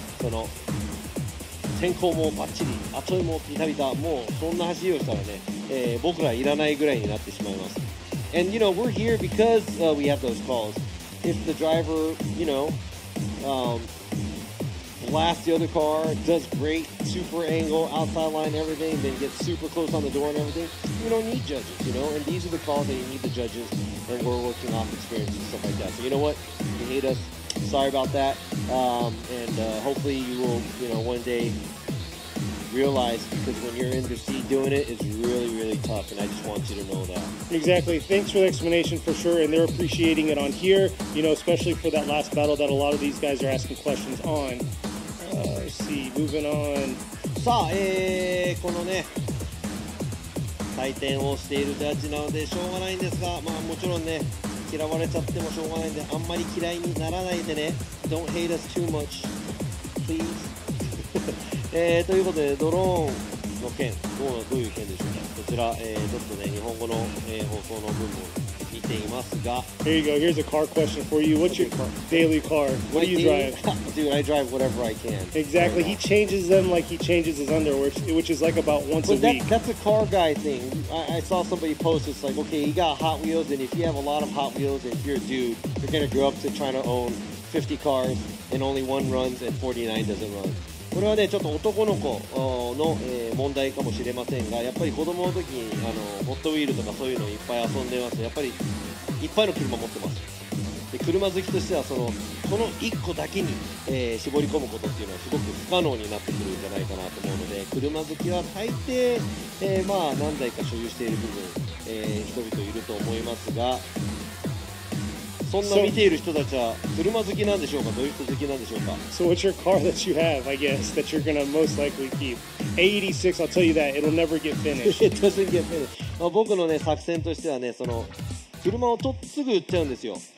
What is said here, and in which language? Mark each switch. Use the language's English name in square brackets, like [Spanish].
[Japanese] その天候もバッチリ、後にもピタピタ、もうそんな走りをしたらね、僕らいらないぐらいになってしまいます。 [English] And you know, we're here because we have those calls. If the driver, you know, blasts the other car, does great, super angle, outside line, everything, then gets super close on the door and everything, you don't need judges, you know? And these are the calls that you need the judges, and we're working off experience and stuff like that. So you know what? You hate us. Sorry about that. Hopefully you will, you know, one day realize, because when you're in the seat doing it, it's really, really tough, and I just want you to know that. Exactly. Thanks for the explanation, for sure, and they're appreciating it on here, you know, especially for that last battle that a lot of these guys are asking questions on. Let's see, moving on. [Japanese] さあ、このね、採点をしているジャッジなのでしょうがないんですが、まあもちろんね、嫌われちゃってもしょうがないんで、あんまり嫌いにならないでね。 [English] Don't hate us too much, please. [Japanese] ということで、ドローンの件、どういう件でしょうか。こちら、ちょっとね、日本語の、放送の部分を見ていますが。 [English] Here you go. Here's a car question for you. What's your car? Daily car? What do you drive? Dude, I drive whatever I can. Exactly. He changes them like he changes his underwear, which is like about once a week. That's a car guy thing. I saw somebody post, it's like, okay, you got Hot Wheels, and if you have a lot of Hot Wheels, and if you're a dude, you're going to grow up to trying to own 50 cars, and only one runs, and 49 doesn't run. [Japanese] これはね、ちょっと男の子の、問題かもしれませんが、やっぱり子供の時にホットウィールとかそういうのをいっぱい遊んでます。やっぱりいっぱいの車持ってます。で、車好きとしてはその1個だけに、絞り込むことっていうのはすごく不可能になってくるんじゃないかなと思うので、車好きは大抵、まあ何台か所有している部分、人々いると思いますが、そんな見ている人たちは車好きなんでしょうか、どういう人好きなんでしょうか。 [English] So what's your car that you have, I guess, that you're gonna most likely keep? A86, I'll tell you that, it'll never get finished. It doesn't get finished. [Japanese] まあ僕のね、作戦としてはね、その車をとっすぐ売っちゃうんですよ。